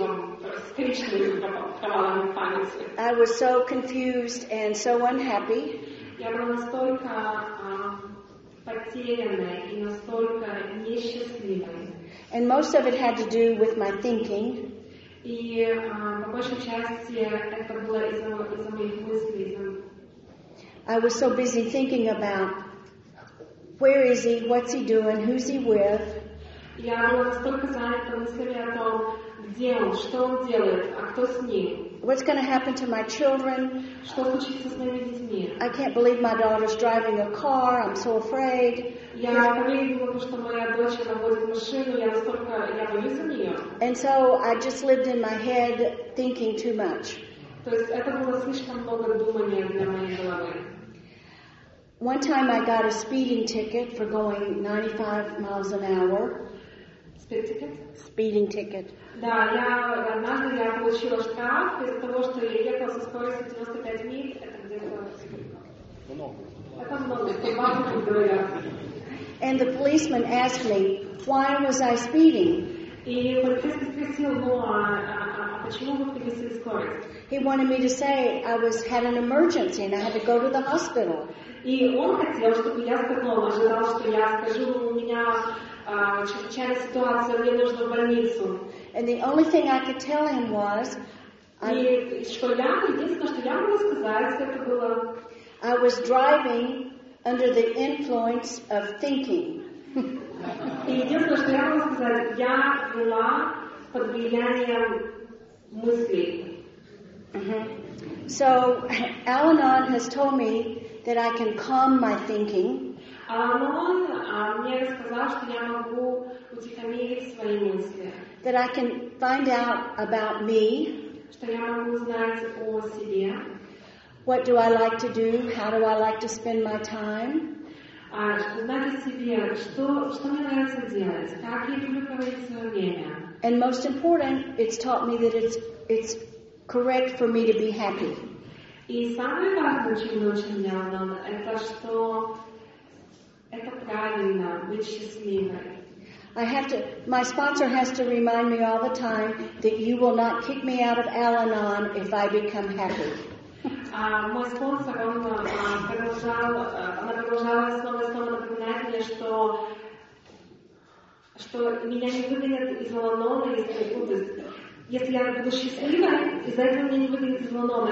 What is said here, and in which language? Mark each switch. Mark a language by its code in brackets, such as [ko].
[en] I was so confused and so unhappy. And most of it had to do with my thinking. [ru] И по большей части это было из-за моих мыслей. [en] I was so busy thinking about where is he, what's he doing, who's he with. [ru] Я была настолько занята мыслями о том, где он, что он делает, а кто с ним. [en] What's going to happen to my children? [ru] Что случится с моими детьми? [en] I can't believe my daughter's driving a car. I'm so afraid. [ru] Я поверила, что моя дочь водит машину. Я боюсь за нее. [en] And so I just lived in my head thinking too much. [ru] То есть это было слишком много думания для моей головы. [en] One time I got a speeding ticket for going 95 miles an hour. Speed ticket? Speeding ticket. [ru] Да, я однажды получила штраф из-за того, что я ехала со скоростью 95 миль. Это где-то много. Это много. [en] And the policeman asked me, why was I speeding? [ru] И полицейский спросил, ну а почему вы превысили скорость? [en] He wanted me to say I was had an emergency and I had to go to the hospital. [ru] И он хотел, чтобы я сказала, ожидал, что я скажу, у меня чрезвычайная ситуация, мне нужно в больницу. [en] And the only thing I could tell him was, [ru] единственное, что я могла сказать, это было, [en] I was driving under the influence of thinking. [ru] И единственное, что я могла сказать, я была под влиянием мыслей. [en] So, Al-Anon has told me that I can calm my thinking. [ru] Al-Anon мне сказал, что я могу утихомирить свои мысли. [en] That I can find out about me. [ru] Что я могу узнать о себе. [en] What do I like to do? How do I like to spend my time? [ru] Узнать о себе, что мне нравится делать, как я люблю проводить свое время. [en] And most important, it's taught me that it's correct for me to be happy. [ru] И самое важное, чему научил меня Al-Anon, это что это правильно быть счастливой. [en] My sponsor has to remind me all the time that you will not kick me out of Al-Anon if I become happy. [ru] Мой спонсор, он продолжал снова и снова напоминать мне, что меня не выгонят из Ланона, если я буду. Если я буду счастлива, из-за этого меня не выгонят из Ланона.